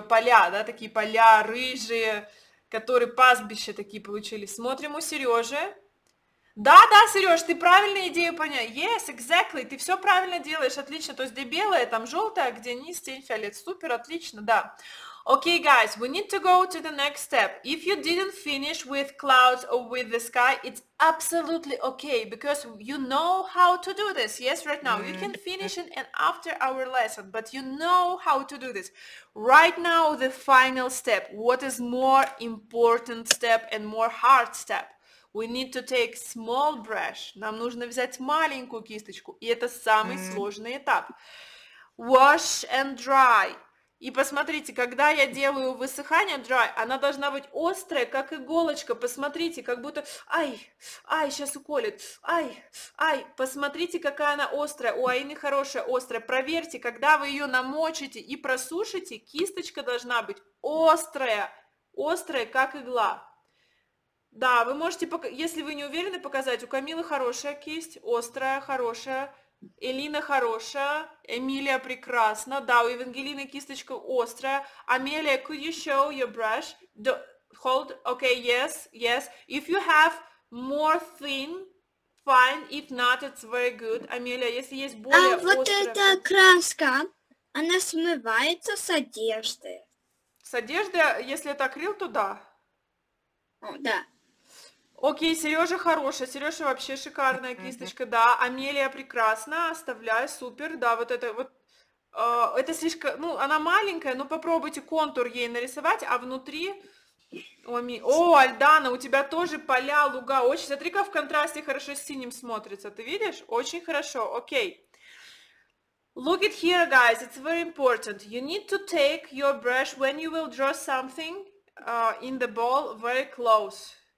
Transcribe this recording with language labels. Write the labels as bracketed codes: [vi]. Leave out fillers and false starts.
[ru] Поля, да, такие поля рыжие, которые пастбища такие получились. Смотрим у Сережи. Да, да, Сереж, ты правильную идею понял. [en] Yes, exactly. [ru] Ты все правильно делаешь, отлично. То есть где белое, там желтое, где низ, тень фиолет. Супер, отлично, да. [en] Okay, guys, we need to go to the next step. If you didn't finish with clouds or with the sky, it's absolutely okay, because you know how to do this. Yes, right now, you can finish it and after our lesson, but you know how to do this. Right now, the final step, what is more important step and more hard step? We need to take small brush. [ru] Нам нужно взять маленькую кисточку, и это самый сложный этап. [en] Wash and dry. [ru] И посмотрите, когда я делаю высыхание [en] dry, [ru] она должна быть острая, как иголочка. Посмотрите, как будто... Ай, ай, сейчас уколет. Ай, ай. Посмотрите, какая она острая. У Аины хорошая острая. Проверьте, когда вы ее намочите и просушите, кисточка должна быть острая. Острая, как игла. Да, вы можете, если вы не уверены, показать. У Камилы хорошая кисть, острая, хорошая. Элина хорошая, Эмилия прекрасна, да, у Евангелины кисточка острая. [en] Амелия, could you show your brush? The, hold, okay, yes, yes. If you have more thin, fine, if not, it's very good. [ru] Амелия, если есть более острая... А вот эта краска, она смывается с одежды. С одежды, если это акрил, то да. Да. Окей, Сережа хорошая, Сережа вообще шикарная кисточка, да, Амелия прекрасна, оставляю, супер, да, вот это вот, это слишком, ну, она маленькая, но попробуйте контур ей нарисовать, а внутри, о, Альдана, у тебя тоже поля, луга, очень, смотри, как в контрасте хорошо с синим смотрится, ты видишь, очень хорошо, окей. [en] Look at here, guys, it's very important, you need to take your brush when you will draw something in the ball very close.